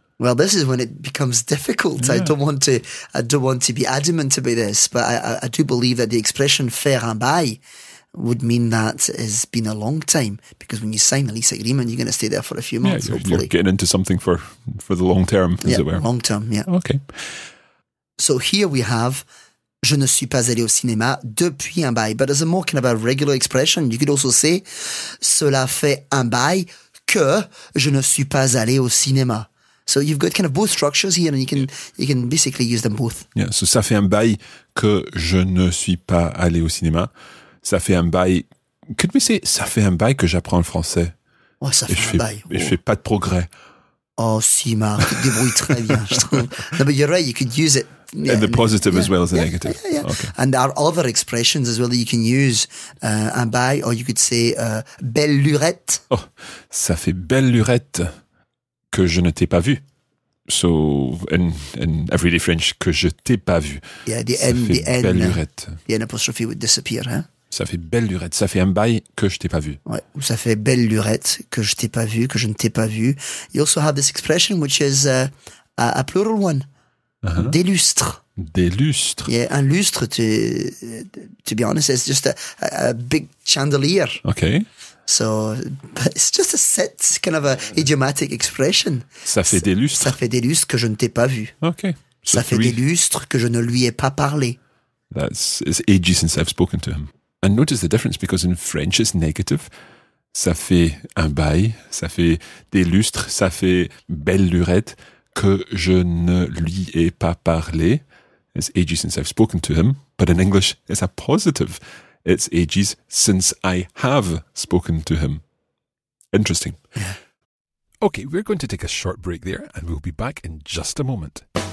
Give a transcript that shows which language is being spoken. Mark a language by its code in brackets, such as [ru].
[en] Well, this is when it becomes difficult. Yeah. I don't want to be adamant about this, but I do believe that the expression [fr] faire un bail [en] would mean that it's been a long time, because when you sign a lease agreement, you're going to stay there for a few months, yeah, hopefully. You're getting into something for the long term, as yeah, it were. Yeah, long term, yeah. Okay. So here we have... [fr] Je ne suis pas allé au cinéma depuis un bail. [en] But as a more kind of a regular expression, you could also say, [fr] cela fait un bail que je ne suis pas allé au cinéma. [en] So you've got kind of both structures here and you can basically use them both. Yeah, so [fr] ça fait un bail que je ne suis pas allé au cinéma. Ça fait un bail... [en] Could we say, [fr] ça fait un bail que j'apprends le français? Oh, ça fait un bail. Et je fais pas de progrès. Oh, si, Marc, tu te débrouilles très bien. [en] No, but you're right, you could use it. Yeah, in the positive as well as the negative. Yeah, yeah. Okay. And there are other expressions as well that you can use. [fr] Un bail, [en] or you could say [fr] belle lurette. Oh, ça fait belle lurette que je ne t'ai pas vu. [en] So, in everyday French, [fr] que je t'ai pas vu. [en] Yeah, the N apostrophe would disappear. [fr] Hein? Ça fait belle lurette. Ça fait un bail que je t'ai pas vu. Ouais, ou ça fait belle lurette que je t'ai pas vu, que je ne t'ai pas vu. [en] You also have this expression which is a plural one. [fr] Uh-huh. Des lustres. Des lustres. [en] Yeah, [fr] un lustre, [en] to be honest, it's just a big chandelier. Okay. So, but it's just a set, kind of a idiomatic expression. [fr] Ça fait des lustres. Ça fait des lustres que je ne t'ai pas vu. [en] Okay. So [fr] ça fait des lustres que je ne lui ai pas parlé. [en] It's ages since I've spoken to him. And notice the difference, because in French it's negative. [fr] Ça fait un bail, ça fait des lustres, ça fait belle lurette. Que je ne lui ai pas parlé. [en] It's ages since I've spoken to him. But in English, it's a positive. It's ages since I have spoken to him. Interesting. Yeah. Okay, we're going to take a short break there and we'll be back in just a moment.